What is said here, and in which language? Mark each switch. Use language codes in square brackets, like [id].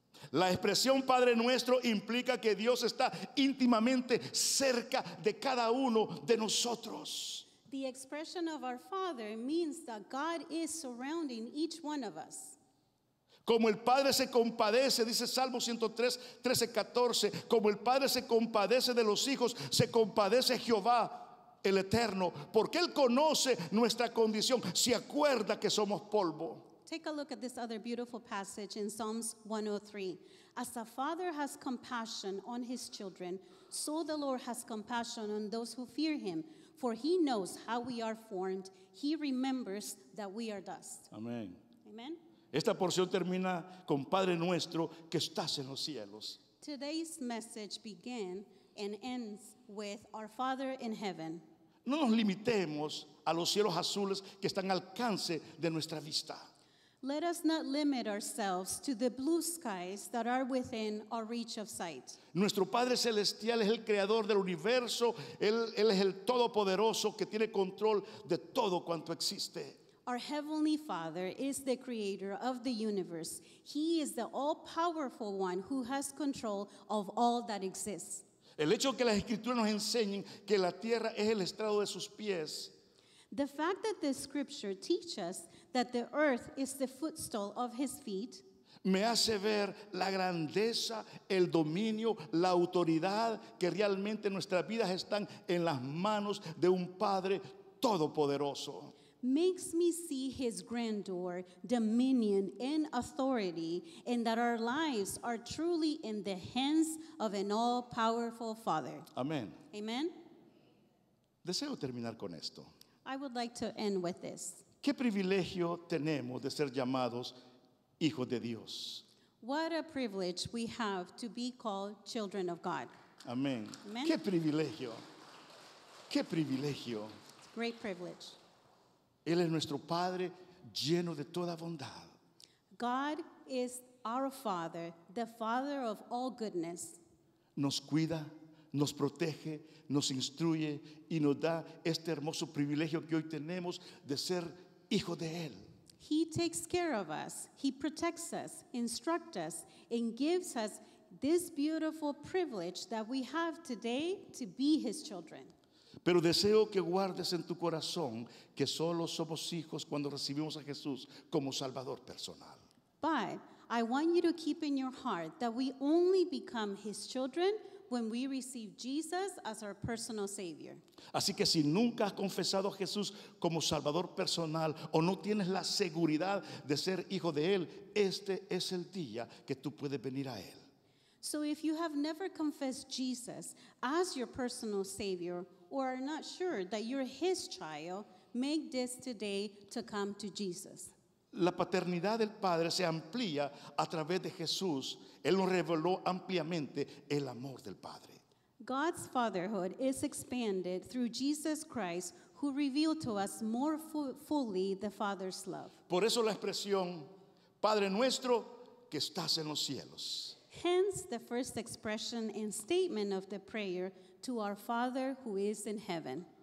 [es] La expresión Padre Nuestro implica que Dios está íntimamente cerca de cada uno de nosotros. [en] The expression of our Father means that God is surrounding each one of us. [es] Como el Padre se compadece, dice Salmo 103:13-14, como el Padre se compadece de los hijos, se compadece Jehová el Eterno, porque Él conoce nuestra condición, se acuerda que somos polvo. [en] Take a look at this other beautiful passage in Psalms 103. As a father has compassion on his children, so the Lord has compassion on those who fear him. For he knows how we are formed. He remembers that we are dust. Amen. Amen. [es] Esta porción termina con Padre nuestro que estás en los cielos. [en] Today's message begins and ends with our Father in heaven. [es] No nos limitemos a los cielos azules que están al alcance de nuestra vista. [en] Let us not limit ourselves to the blue skies that are within our reach of sight. [es] Nuestro Padre Celestial es el creador del universo. Él es el Todopoderoso que tiene control de todo cuanto existe. [en] Our Heavenly Father is the creator of the universe. He is the all-powerful one who has control of all that exists. [es] El hecho que las Escrituras nos enseñen que la tierra es el estrado de sus pies. [en] The fact that the scripture teaches that the earth is the footstool of his feet [es] me hace ver la grandeza, el dominio, la autoridad que realmente nuestras vidas están en las manos de un Padre Todopoderoso. [en] Makes me see his grandeur, dominion, and authority, and that our lives are truly in the hands of an all-powerful Father. Amen. Amen. [es] Deseo terminar con esto. [en] I would like to end with this. [es] ¿Qué privilegio tenemos de ser llamados hijos de Dios? [en] What a privilege we have to be called children of God. [es] Amén. ¿Qué privilegio? ¿Qué privilegio? [en] Great privilege. [es] Él es nuestro Padre lleno de toda bondad. [en] God is our Father, the Father of all goodness. [es] Nos cuida. Nos protege, nos instruye y nos da este hermoso privilegio que hoy tenemos de ser hijo de Él. [en] He takes care of us, He protects us, instructs us, and gives us this beautiful privilege that we have today to be His children. [es] Pero deseo que guardes en tu corazón que solo somos hijos cuando recibimos a Jesús como Salvador personal. [en] But I want you to keep in your heart that we only become His children when we receive Jesus as our personal Savior. [es] Así que si nunca has confesado a Jesús como Salvador personal o no tienes la seguridad de ser hijo de Él, este es el día que tú puedes venir a Él. [en] So if you have never confessed Jesus as your personal Savior or are not sure that you're His child, make this today to come to Jesus. [es] La paternidad del Padre se amplía a través de Jesús. Él nos reveló ampliamente el amor del Padre. [en] God's fatherhood is expanded through Jesus Christ, who revealed to us more fully the Father's love. [es] Por eso la expresión Padre nuestro que estás en los cielos. [en] Hence the first expression and statement of the prayer to our Father who is in heaven.